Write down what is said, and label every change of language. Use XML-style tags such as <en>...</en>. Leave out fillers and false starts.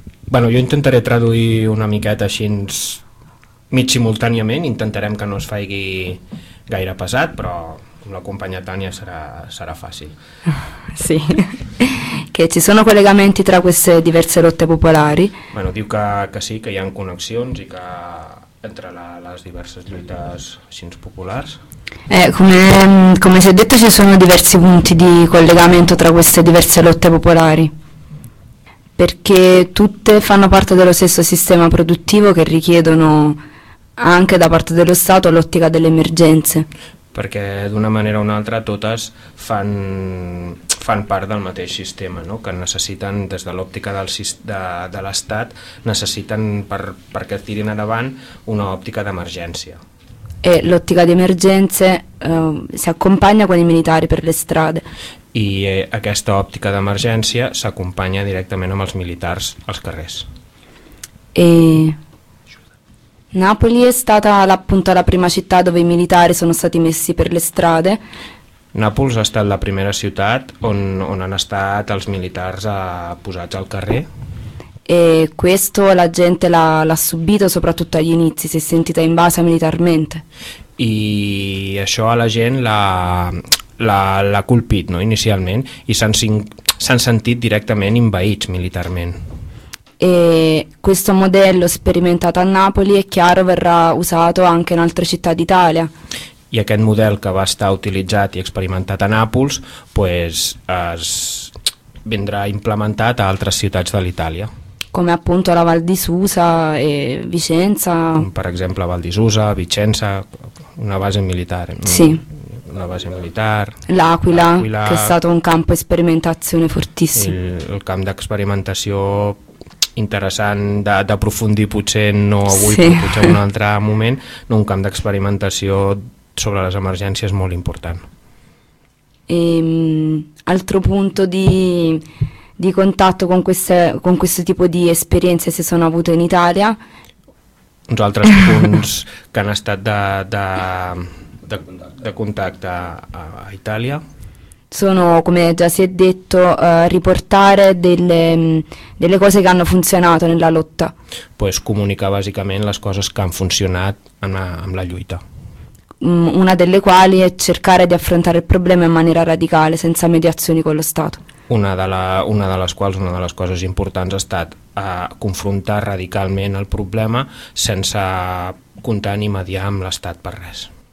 <ca>Bueno, jo intentaré traduir una miqueta així mig simultàniament, intentarem que no es faci gaire pesat, però amb la companya Tània serà fàcil.</ca> <it>Sí, que ci sono collegamenti tra queste diverse lotte popolari.</it> <ca>Bueno, diu que sí, que hi ha connexions i que entre les diverses lluites així populars.</ca> <it>Come si è detto, ci sono diversi punti di collegamento tra queste diverse lotte popolari, perché tutte fanno parte dello stesso sistema produttivo che richiedono anche da parte dello Stato l'ottica delle emergenze.</it> <ca>Perché d'una maniera o un'altra totes fan part del mateix sistema, no? Que necessiten, des de l'òptica de l'Estat, necessiten perquè tirin endavant una òptica d'emergència.</ca> <it>E l'ottica di emergenze si accompagna con i militari per le strade.</it> <ca>I aquesta òptica d'emergència s'acompanya directament amb els militars als carrers.</ca> <it>E Napoli è stata appunto la prima città dove i militari sono stati messi per le strade.</it> <ca>Nàpols ha estat la primera ciutat on han estat els militars posats al carrer.</ca> <it>E questo la gente l'ha subito soprattutto agli inizi, si è sentita invasa militarmente.</it> <ca>I això a la gent l'ha colpit, no, inicialment, i s'han sentit directament invaïts militarment.</ca> <it>E questo modello sperimentato a Napoli è chiaro verrà usato anche in altre città d'Italia.</it> <ca>I aquest model que va estar utilitzat i experimentat a Nàpols, pues vendrà implementat a altres ciutats de l'Itàlia.</ca> <it>Come appunto la Val di Susa e Vicenza.</it> <ca>Per exemple, Val di Susa, Vicenza,</ca> <it>una base militare. Sì. Una base militare. L'Aquila, che è stato un campo di sperimentazione fortissimo.</it> <ca>Il camp d'experimentació interessant d'aprofundir, potser no avui, sí, però potser en un altre moment, no, un camp d'experimentació sobre les emergències molt important.</ca> <it>Altro punto di contatto con questo tipo di esperienze si sono avute in Italia.</it> <ca>Uns altres punts que han estat de contacte a Itàlia.</ca> <it>Sono, come già si è detto, riportare delle cose che hanno funzionato nella lotta.</it> <ca>Pues comunicar bàsicament les coses que han funcionat amb la lluita.</ca> <it>Una delle quali è cercare di affrontare il problema in maniera radicale, senza mediazioni con lo Stato.</it> <ca>Una de les coses importants ha estat confrontar radicalment el problema sense comptar ni mediar amb l'Estat per res.</ca>